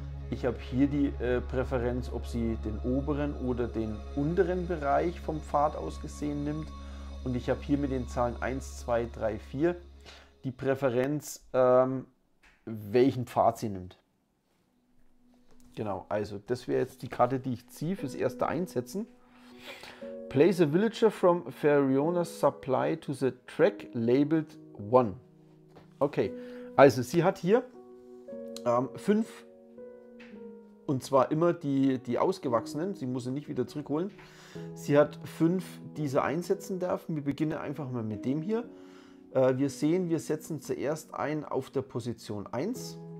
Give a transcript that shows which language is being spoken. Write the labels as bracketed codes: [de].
[de] Ich habe hier die Präferenz, ob sie den oberen oder den unteren Bereich vom Pfad aus gesehen nimmt. Und ich habe hier mit den Zahlen 1, 2, 3, 4 die Präferenz, welchen Pfad sie nimmt. Genau, also das wäre jetzt die Karte, die ich ziehe fürs erste Einsetzen. [en] Place a villager from Feriona's supply to the track labeled 1. [de] Okay, also sie hat hier 5 und zwar immer die ausgewachsenen, sie muss sie nicht wieder zurückholen. Sie hat 5, die sie einsetzen darf. Wir beginnen einfach mal mit dem hier. Wir sehen, wir setzen zuerst ein auf der Position 1.